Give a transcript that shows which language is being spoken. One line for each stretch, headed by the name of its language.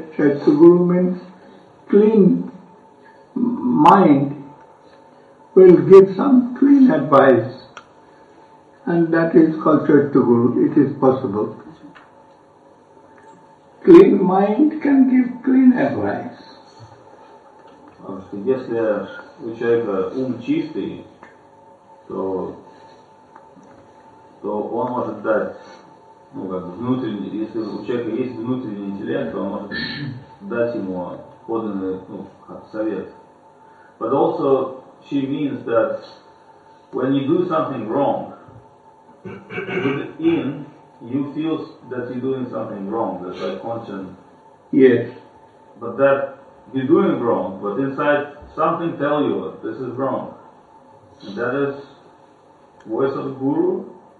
English: Yeah, Chaitanya Guru means clean mind will give some clean advice. And that is called Chaitanya Guru. It is possible. Clean mind can give clean advice.
Russian: Если у человека ум чистый, то он может дать, внутренний, если у человека есть внутренний интеллект, то он может дать ему поданный, совет.
English: But also she means that when you do something wrong, within, you feel that you're doing something wrong, that's like conscience. Yes. But that you're doing wrong, but inside something tell you this is wrong. And that is voice of the guru,